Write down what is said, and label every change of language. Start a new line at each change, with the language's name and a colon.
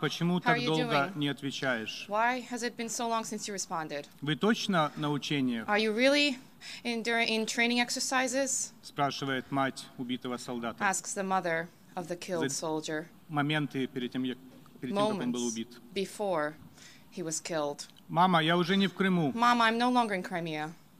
Russian: Почему так долго не отвечаешь?
English: Why has it been so long since you responded?
Russian: Вы точно на учениях?
English: Are you really in training exercises?
Russian: Спрашивает мать убитого солдата.
English: Asks the mother of the killed soldier.
Russian: Моменты перед тем, как он был убит.
English: Before he was killed.
Russian: Мама, я уже не в Крыму.
English: Mama, I'm no longer in Crimea.